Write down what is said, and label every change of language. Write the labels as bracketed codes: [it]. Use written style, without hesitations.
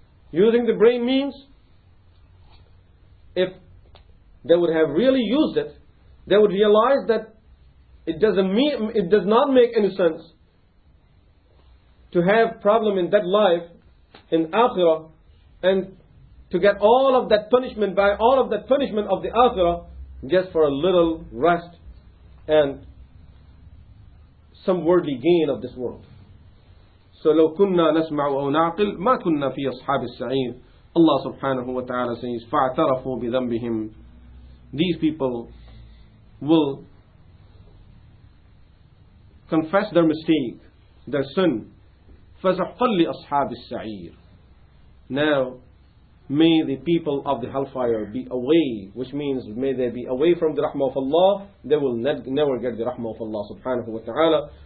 [en] Using the brain means, if they would have really used it, they would realize that it does not make any sense to have problem in that life, in Akhirah, and to get all of that punishment, by all of that punishment of the Akhirah, just for a little rest and some worldly gain of this world. [ar] So لو كنا نسمع أو نعقل ما كنا في أصحاب السعير. [en] Allah subhanahu wa ta'ala says, [ar] فَاعْتَرَفُوا بِذَنْبِهِمْ. [en] These people will confess their mistake, their sin. [ar] فَزَحْقَلْ لِأَصْحَابِ السَّعِيرِ. [en] Now, may the people of the hellfire be away, which means may they be away from the rahmah of Allah, they will never get the rahmah of Allah subhanahu wa ta'ala.